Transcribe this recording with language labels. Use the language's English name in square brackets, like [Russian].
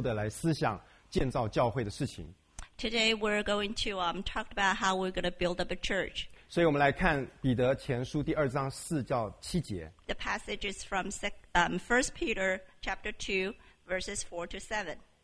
[Chinese] 所以我们今天呢，我们想分享的信息呢，特别是讲到建造教会，我们再更深入的来思想建造教会的事情。 [English] Today we're going to talk about how we're going to build up a church. [Chinese] 所以我们来看彼得前书第二章四到七节。 [English] The passage is from 1 Peter chapter 2 verses 4 to 7.